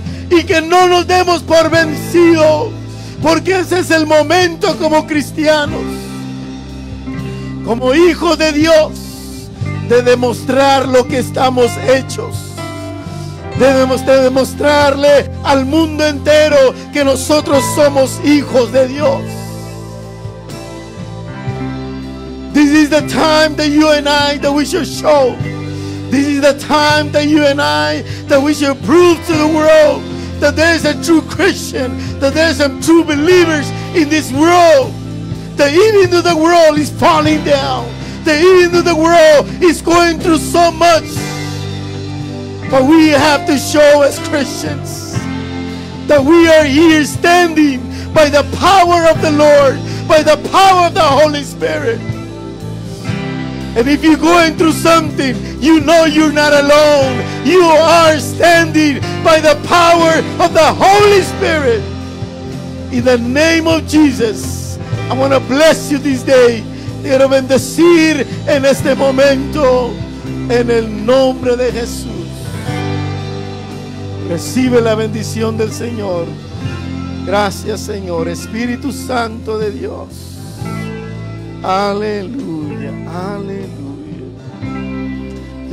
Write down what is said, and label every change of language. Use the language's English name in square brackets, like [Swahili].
[Spanish] Y que no nos demos por vencido, porque ese es el momento como cristianos, como hijos de Dios, de demostrar lo que estamos hechos. Debemos de demostrarle al mundo entero que nosotros somos hijos de Dios. [English] This is the time that you and I, that we should show. This is the time that you and I, that we should prove to the world that there is a true Christian, that there is a true believers in this world. The even of the world is falling down. The even of the world is going through so much. But we have to show as Christians that we are here standing by the power of the Lord, by the power of the Holy Spirit. And if you're going through something, you know you're not alone. You are standing by the power of the Holy Spirit. In the name of Jesus, I want to bless you this day. [Spanish] Te quiero bendecir en este momento, en el nombre de Jesús. Recibe la bendición del Señor. Gracias, Señor. Espíritu Santo de Dios. Aleluya, aleluya.